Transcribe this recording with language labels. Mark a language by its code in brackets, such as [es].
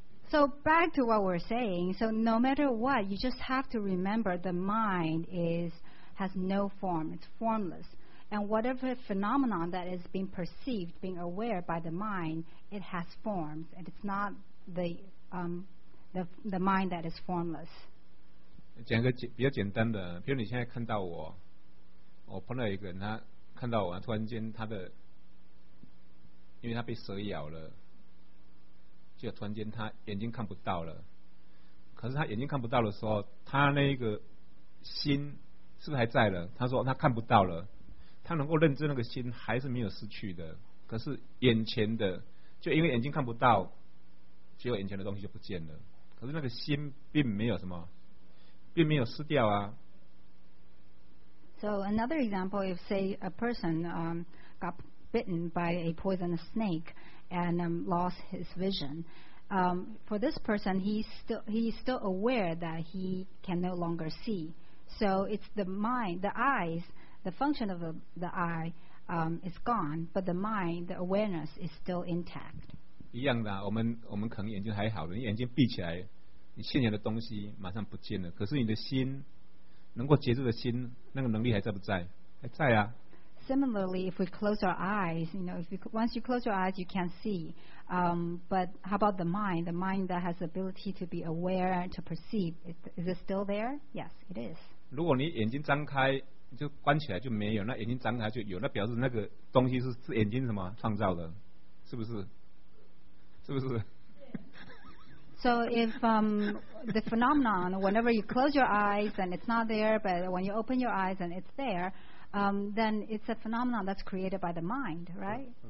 [en] So back to what we're saying, so no matter what, you just have to remember the mind has no form, it's formless. And whatever phenomenon that is being perceived, being aware by the mind, it has forms, and it's not the mind that is formless. [zh] 讲个比较简单的，比如你现在看到我，我碰到一个人，他看到我，突然间他的，因为他被蛇咬了，就突然间他眼睛看不到了，可是他眼睛看不到的时候，他那个心是不是还在了？他说他看不到了，他能够认知那个心还是没有失去的，可是眼前的就因为眼睛看不到，结果眼前的东西就不见了。可是那个心并没有什么，并没有失掉啊。 [en] So another example, if say a person got bitten by a poisonous snake and lost his vision, for this person, he's still aware that he can no longer see. So it's the mind, the eyes, the function of the eye is gone, but the mind, the awareness is still intact. [zh] 一样的、啊，我们可能眼睛还好的，你眼睛闭起来，你现前的东西马上不见了，可是你的心。能够觉知的心，那个能力还在不在？还在啊。 [en] Similarly, if we close our eyes, you know, if you, once you close your eyes, you can't see. But how about the mind? The mind that has the ability to be aware and to perceive, is it still there? Yes, it is. [zh] 如果你眼睛张开就关起来就没有，那眼睛张开就有，那表示那个东西是眼睛什么创造的，是不是？是不是？ [en] So if the phenomenon, whenever you close your eyes and it's not there, but when you open your eyes and it's there, then it's a phenomenon that's created by the mind, right?